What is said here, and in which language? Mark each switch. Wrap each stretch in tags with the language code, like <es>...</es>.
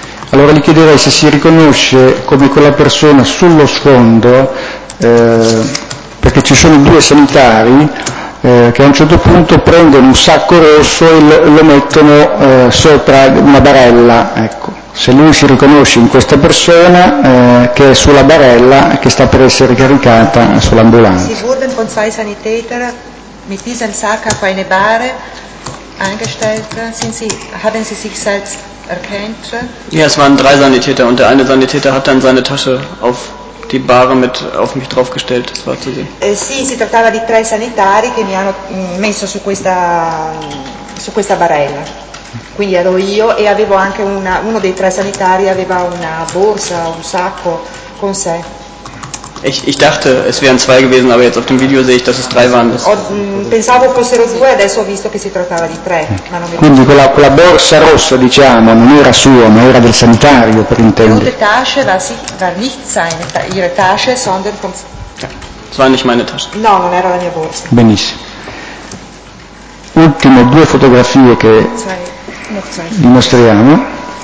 <it>Allora gli chiederei se si riconosce come quella persona sullo sfondo, perché ci sono due sanitari che a un certo punto prendono un sacco rosso e lo mettono sopra una barella. Ecco. Se lui si riconosce in questa persona che è sulla barella che sta per essere caricata sull'ambulanza.</it> <de>Sie wurden von zwei Sanitätern mit diesem Sack auf eine Bahre eingestellt. Haben Sie sich selbst erkennt? Ja, es waren drei Sanitäter und der eine Sanitäter hat dann seine Tasche auf die Bahre mit auf mich draufgestellt. Das war zu sehen.</de> <it>Sì, si trattava di tre sanitari che mi hanno messo su questa barella. Quindi ero io e avevo anche uno dei tre sanitari aveva una borsa, un sacco con sé.</it> <de>Ich dachte, es wären zwei gewesen, aber jetzt auf dem Video sehe ich, dass es drei waren.</de> <it>Pensavo fossero due, adesso ho visto che si trattava di tre. Quindi quella borsa rossa, diciamo, non era sua, ma era del sanitario, per intendere.</it> <de>Diese Tasche war nicht seine, ihre Tasche, sondern vom. Es war nicht meine Tasche.</de> <it>No, non era la mia borsa. Benissimo. Ultime due fotografie che vi mostriamo.</it>